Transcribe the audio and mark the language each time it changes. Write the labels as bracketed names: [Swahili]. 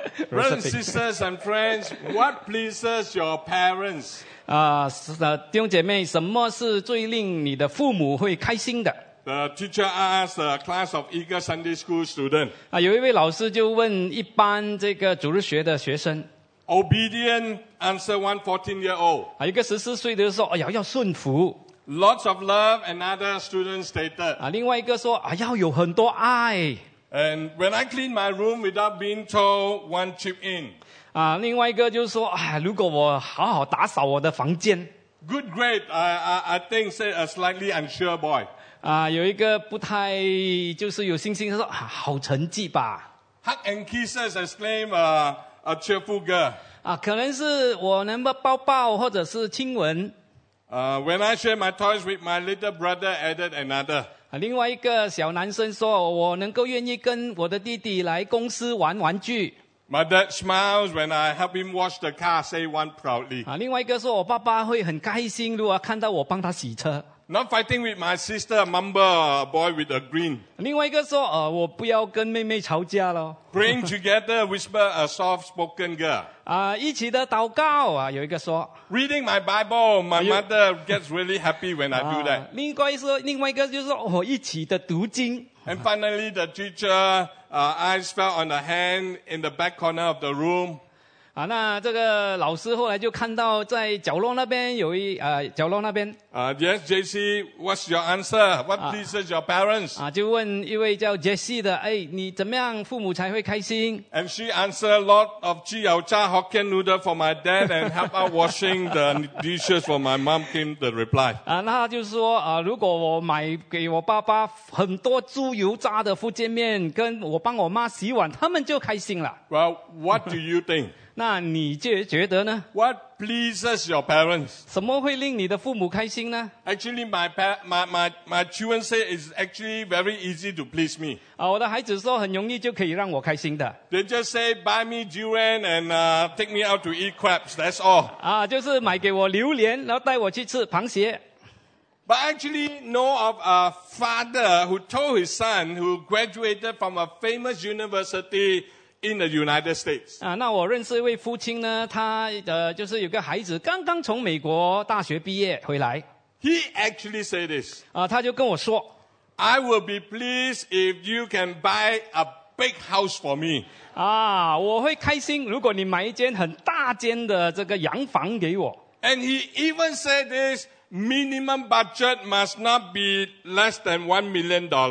[English] Brothers and sisters and friends, what pleases your parents? [Chinese] 弟兄姐妹，什么是最令你的父母会开心的？ [English] The teacher asked a class of eager Sunday school student. [Chinese] 有一位老师就问一班这个主日学的学生。 [English] Obedient answer one 14-year-old. [Chinese] 一个14岁的就说，要顺服。 [English] Lots of love, another student stated. [Chinese] 另外一个说，要有很多爱。 [English] And when I clean my room without being told, one chip in. [Chinese] 另外一个就是说，如果我好好打扫我的房间。 [English] Good grade, I think said a slightly unsure boy. [Chinese] 有一个不太就是有信心，他说好成绩吧。 [English] Hug and kisses, exclaimed a cheerful girl. [Chinese] 可能是我能够抱抱或者是亲吻。 [English] When I share my toys with my little brother, added another. [Chinese] 另外一个小男生说，我能够愿意跟我的弟弟来公司玩玩具。 [English] My dad smiles when I help him wash the car, say one proudly. [Chinese] 另外一个说，我爸爸会很开心，如果看到我帮他洗车。 [English] Not fighting with my sister, a mumble, a boy with a grin. [Chinese] 另外一个说，我不要跟妹妹吵架了。 [English] Praying together, whisper a soft-spoken girl. [Chinese] 一起的祷告啊，有一个说。 [English] Reading my Bible, my mother gets really happy when I do that. [Chinese] 另外一个就是说，一起的读经。 [English] And finally, the teacher, eyes fell on the hand in the back corner of the room. [Chinese] 那这个老师后来就看到在角落那边有一角落那边。 [English] Yes, JC, what's your answer? What pleases your parents? [Chinese] 就问一位叫 Jesse 的，哎，你怎么样父母才会开心 [English] ？And she answered, lot of [Chinese] 鸡油炸 [English] Hokkien noodle for my dad and help out washing the dishes for my mom. Came the reply. [Chinese] 那就是说如果我买给我爸爸很多猪油炸的福建面，跟我帮我妈洗碗，他们就开心了。 [English] Well, what do you think? [Chinese] 那你觉得呢 [English] ？What pleases your parents? [Chinese] 什么会令你的父母开心呢 [English] ？Actually, my children say it's actually very easy to please me. [Chinese] 我的孩子说很容易就可以让我开心的。 [English] They just say buy me durian and take me out to eat crabs. That's all. [Chinese] 就是买给我榴莲，然后带我去吃螃蟹。 [English] But I actually know of a father who told his son who graduated from a famous university. In the United States. [Chinese] 那我认识一位父亲呢，他就是有个孩子刚刚从美国大学毕业回来。 [English] He actually said this. [Chinese] 他就跟我说 [English] ，I will be pleased if you can buy a big house for me. [Chinese] 我会开心如果你买一间很大间的这个洋房给我。 [English] And he even said this. Minimum budget must not be less than $1 million.